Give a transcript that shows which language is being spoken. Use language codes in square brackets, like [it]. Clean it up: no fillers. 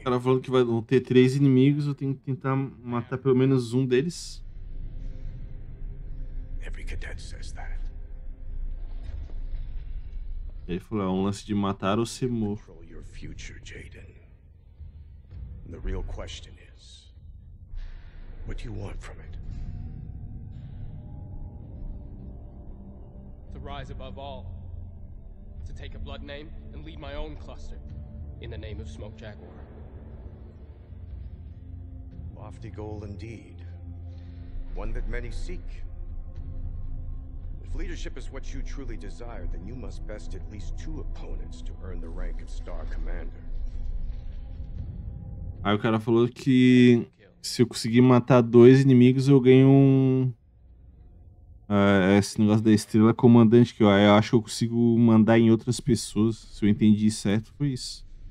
[pt] O cara falando que vai ter três inimigos, eu tenho que tentar matar pelo menos um deles. [en] Every cadet says that. [pt] Ele falou, é um lance de matar ou ser morto. [en] Control your future, Jaden. The real question is, what do you want from it? To rise above all. To take a blood name and lead my own cluster. In the name of Smoke Jaguar. Lofty goal indeed. One that many seek. If leadership is what you truly desire, then you must best at least two opponents to earn the rank of Star Commander. [pt] Aí o cara falou que se eu conseguir matar dois inimigos, eu ganho um... esse negócio da estrela comandante, que eu acho que eu consigo mandar em outras pessoas. Se eu entendi certo, foi isso.